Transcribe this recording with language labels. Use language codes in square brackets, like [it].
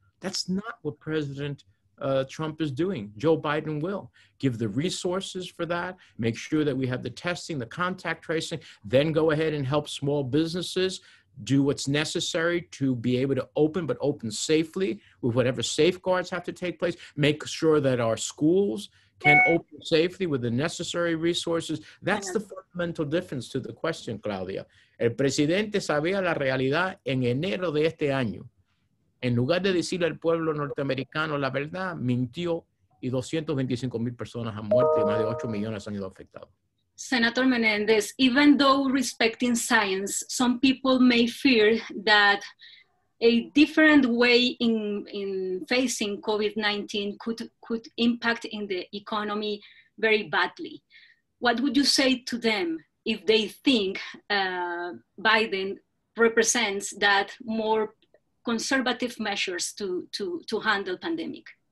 [en] That's not what President Trump is doing. Joe Biden will give the resources for that, make sure that we have the testing, the contact tracing, then go ahead and help small businesses do what's necessary to be able to open, but open safely with whatever safeguards have to take place, make sure that our schools can open safely with the necessary resources. That's the fundamental difference to the question, Claudia. [es] El presidente sabía la realidad en enero de este año. En lugar de decirle al pueblo norteamericano la verdad, mintió y 225,000 personas han muerto y más de 8 millones han sido afectados. [en] Senator Menendez, even though respecting science, some people may fear that a different way in facing COVID-19 could impact in the economy very badly. What would you say to them if they think Biden represents that more conservative measures to handle pandemic?